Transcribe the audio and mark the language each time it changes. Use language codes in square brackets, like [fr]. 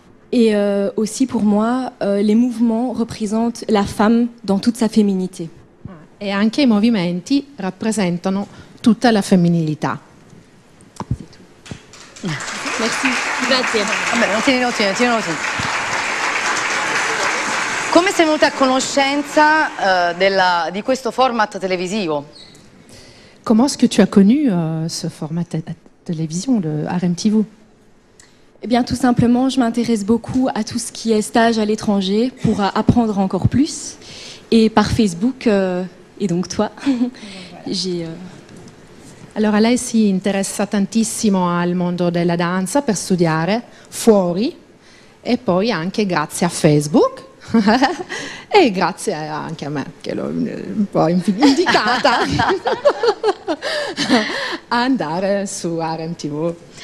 [fr] Et aussi pour moi, les mouvements représentent la femme dans toute sa féminité. [it] Et anche i movimenti rappresentano tutta la femminilità. [fr] C'est tout. Merci. [it] Grazie. Tieni. Come sei venuta a conoscenza di questo format televisivo? [fr] Comment est-ce que tu as connu ce format de télévision, le RMTV? Eh bien, tout simplement, je m'intéresse beaucoup à tout ce qui est stage à l'étranger pour apprendre encore plus. Et par Facebook, et donc toi, j'ai... [it] Alors, lei si interessa tantissimo al mondo della danza per studiare fuori e poi anche grazie a Facebook e grazie anche a me, che l'ho un po' indicata, a andare su RMTV.